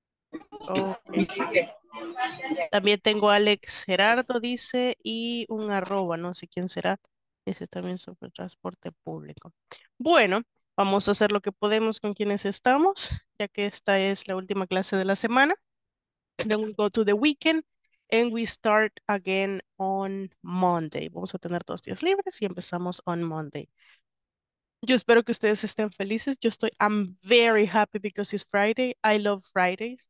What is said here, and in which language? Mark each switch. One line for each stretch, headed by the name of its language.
Spanish: Ok. También tengo a Alex Gerardo, dice, y un arroba, no sé quién será. Ese también es sobre transporte público. Bueno, vamos a hacer lo que podemos con quienes estamos, ya que esta es la última clase de la semana.
English: Then we go to the weekend and we start again on Monday.
Spanish: Vamos a tener 2 días libres y empezamos
English: on Monday.
Spanish: Yo espero que ustedes estén felices. Yo estoy,
English: I'm very happy because it's Friday. I love Fridays.